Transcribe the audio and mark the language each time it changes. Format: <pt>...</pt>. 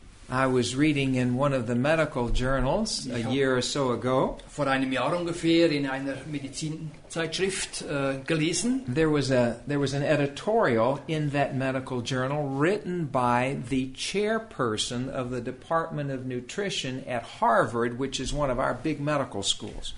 <en>I was reading in one of the medical journals a year or so ago.</en> <de>Vor einem Jahr ungefähr in einer Medizinzeitschrift gelesen.</de> <en>There was an editorial in that medical journal written by the chairperson of the Department of Nutrition at Harvard, which is one of our big medical schools.</en>